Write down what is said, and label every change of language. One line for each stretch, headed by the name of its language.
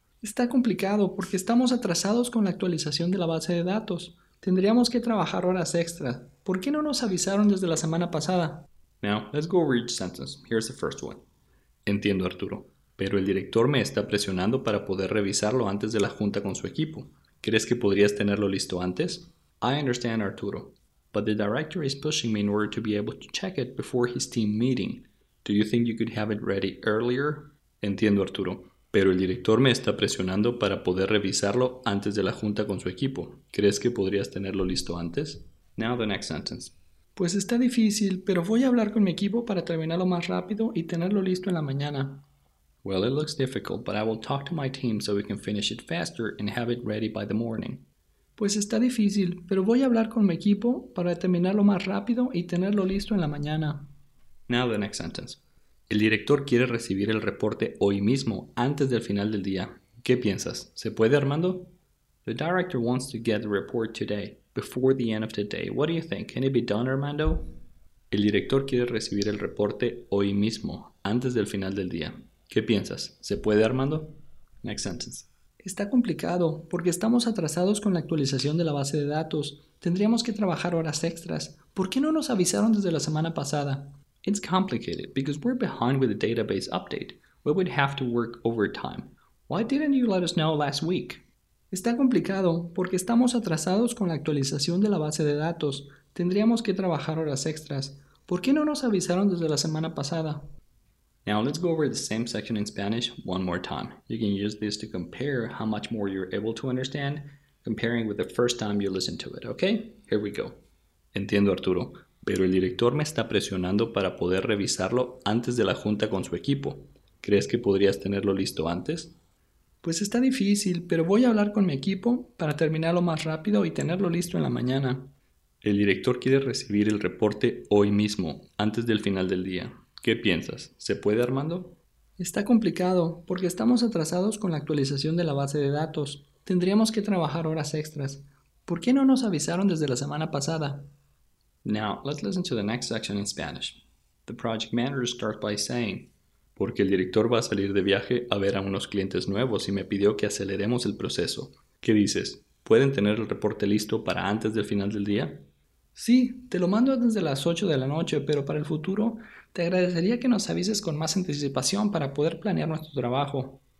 Spanish: Está complicado porque estamos atrasados con la actualización de la base de datos. Tendríamos que trabajar horas extra. ¿Por qué no nos avisaron desde la semana pasada?
English: Now, let's go over each sentence. Here's the first one.
Spanish: Entiendo, Arturo. Pero el director me está presionando para poder revisarlo antes de la junta con su equipo. ¿Crees que podrías tenerlo listo antes?
English: I understand, Arturo. But the director is pushing me in order to be able to check it before his team meeting. Do you think you could have it ready earlier?
Spanish: Entiendo, Arturo. Pero el director me está presionando para poder revisarlo antes de la junta con su equipo. ¿Crees que podrías tenerlo listo antes?
English: Now the next sentence.
Spanish: Pues está difícil, pero voy a hablar con mi equipo para terminarlo más rápido y tenerlo listo en la mañana.
English: Well, it looks difficult, but I will talk to my team so we can finish it faster and have it ready by the morning.
Spanish: Pues está difícil, pero voy a hablar con mi equipo para terminarlo más rápido y tenerlo listo en la mañana.
English: Now the next sentence.
Spanish: El director quiere recibir el reporte hoy mismo, antes del final del día. ¿Qué piensas? ¿Se puede, Armando?
English: The director wants to get the report today, before the end of the day. What do you think? Can it be done, Armando?
Spanish: El director quiere recibir el reporte hoy mismo, antes del final del día. ¿Qué piensas? ¿Se puede, Armando?
English: Next sentence.
Spanish: Está complicado, porque estamos atrasados con la actualización de la base de datos. Tendríamos que trabajar horas extras. ¿Por qué no nos avisaron desde la semana pasada?
English: It's complicated, because we're behind with the database update. We would have to work overtime. Why didn't you let us know last week?
Spanish: Está complicado, porque estamos atrasados con la actualización de la base de datos. Tendríamos que trabajar horas extras. ¿Por qué no nos avisaron desde la semana pasada?
English: Now let's go over the same section in Spanish one more time. You can use this to compare how much more you're able to understand, comparing with the first time you listen to it, okay? Here we go.
Spanish: Entiendo, Arturo, pero el director me está presionando para poder revisarlo antes de la junta con su equipo. ¿Crees que podrías tenerlo listo antes? Pues está difícil, pero voy a hablar con mi equipo para terminarlo más rápido y tenerlo listo en la mañana. El director quiere recibir el reporte hoy mismo, antes del final del día. ¿Qué piensas? ¿Se puede, Armando? Está complicado, porque estamos atrasados con la actualización de la base de datos. Tendríamos que trabajar horas extras. ¿Por qué no nos avisaron desde la semana pasada?
English: Now, let's listen to the next section in Spanish. The project manager starts by saying,
Spanish: porque el director va a salir de viaje a ver a unos clientes nuevos y me pidió que aceleremos el proceso. ¿Qué dices? ¿Pueden tener el reporte listo para antes del final del día? Sí, te lo mando desde las 8 de la noche, pero para el futuro, te agradecería que nos avises con más anticipación para poder planear nuestro trabajo.